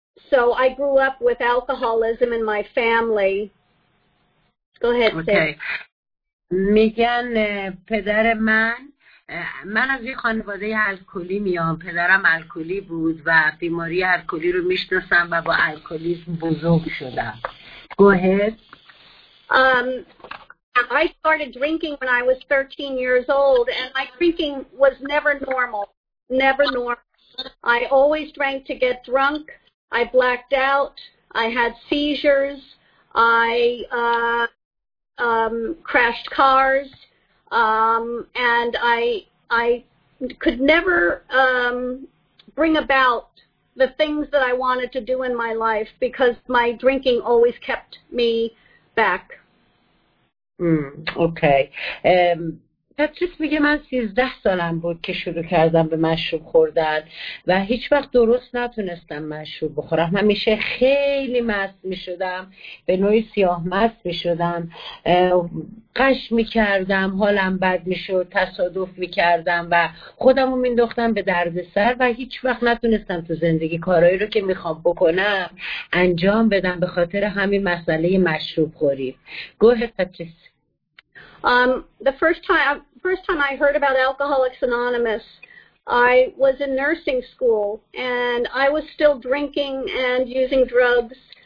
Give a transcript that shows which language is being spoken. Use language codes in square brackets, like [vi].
[en] So I grew up with alcoholism in my family. Go ahead, okay. [fa] میگن پدر من از یه خانواده الکلی میام. پدرم الکلی بود و بیماری الکلی رو میشناسم و با الکلیسم بزرگ شدم. [en] Go ahead. I started drinking when I was 13 years old, and my drinking was never normal, never normal. I always drank to get drunk. I blacked out. I had seizures. I crashed cars, and I could never bring about the things that I wanted to do in my life because my drinking always kept me back. Okay. [fa] پاتریس میگه من 13 سالم بود که شروع کردم به مشروب خوردن و هیچ وقت درست نتونستم مشروب بخورم. همیشه خیلی مست میشدم، به نوعی سیاه مست میشدم، قش میکردم، حالم بد میشد، تصادف میکردم و خودم رو مینداختم به دردسر و هیچ وقت نتونستم تو زندگی کارهایی رو که میخوام بکنم انجام بدم به خاطر همین مسئله مشروب خوری. [en] گوه Patrice. The first time I heard about Alcoholics Anonymous, I was in nursing school and I was still drinking and using drugs.